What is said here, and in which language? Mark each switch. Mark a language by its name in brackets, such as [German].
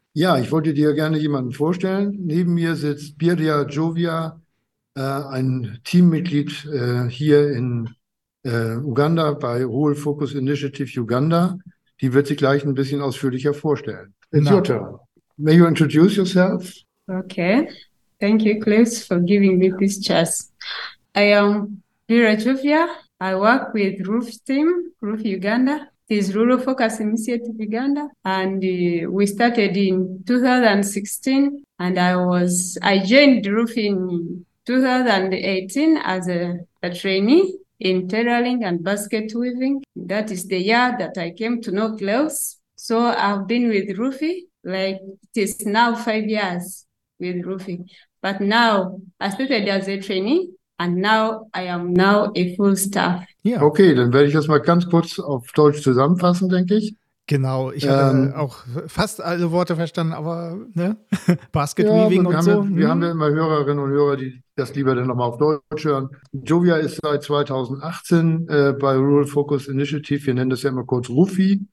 [German] Ja, ich wollte dir gerne jemanden vorstellen. Neben mir sitzt Birdia Jovia, ein Teammitglied hier in Uganda bei Rural Focus Initiative Uganda. Die wird sich gleich ein bisschen ausführlicher vorstellen. [English] It's your turn. May you introduce yourself? Okay. Thank you, Klaus, for giving me this chance. I am Birdia Jovia. I work with Roof Team, Roof Uganda. This Rural Focus Initiative Uganda, and we started in 2016, and I joined Roof in 2018 as a trainee in tailoring and basket weaving. That is the year that I came to know Klaus. So I've been with Roofy, like it is now 5 years with Roofy. But now I started as a trainee, and now I am now a full staff. [German] Ja. Okay, dann werde ich das mal ganz kurz auf Deutsch zusammenfassen, denke ich. Genau, ich habe auch fast alle Worte verstanden, aber ne? [English] Basket Weaving [German] ja, und so. Wir haben ja immer Hörerinnen und Hörer, die das lieber dann nochmal auf Deutsch hören. Jovia ist seit 2018 bei Rural Focus Initiative, wir nennen das ja immer kurz Rufi.